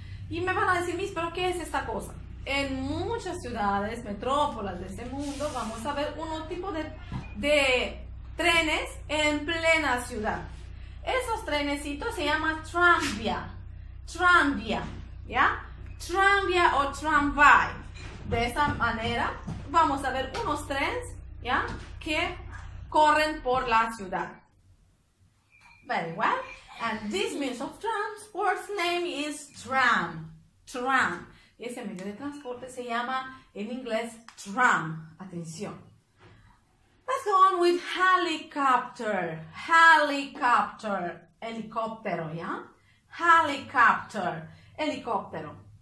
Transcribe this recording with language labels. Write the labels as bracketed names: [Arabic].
[Spanish] Y me van a decir, mis, ¿pero qué es esta cosa? En muchas ciudades, metrópolas de este mundo, vamos a ver un tipo de trenes en plena ciudad. Esos trenecitos se llaman tranvía. Tranvía. ¿Ya? Tranvía o tramvai. De esta manera vamos a ver unos trenes, ¿ya? Que corren por la ciudad. [English] Very well. And this means of transport's name is tram. Tram. [Spanish] Y ese medio de transporte se llama en inglés tram. Atención. [English] Let's go on with helicopter. Helicopter. [Spanish] Helicóptero, ¿ya? [English] Helicopter. [Spanish] Helicóptero.